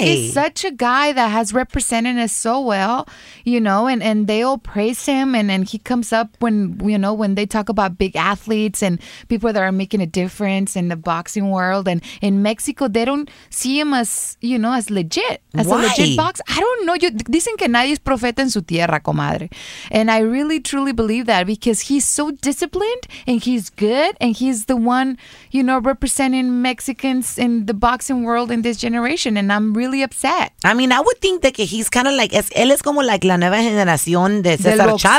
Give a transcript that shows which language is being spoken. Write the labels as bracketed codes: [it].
[en] He is such a guy that has represented us so well, you know, and they all praise him. And he comes up when, you know, when they talk about big athletes and people that are making a difference in the boxing world. And in Mexico, they don't see him as, you know, as legit, as why? A legit box. I don't know. [es] Dicen que nadie es profeta en su tierra, comadre. [en] And I really, truly believe that because he's so disciplined and he's good. And he's the one, you know, representing Mexicans in the boxing world in this generation. And I'm really upset. I mean, I would think that he's kind of like, [es] él es como [en] like [es] la nueva generación de César Chávez.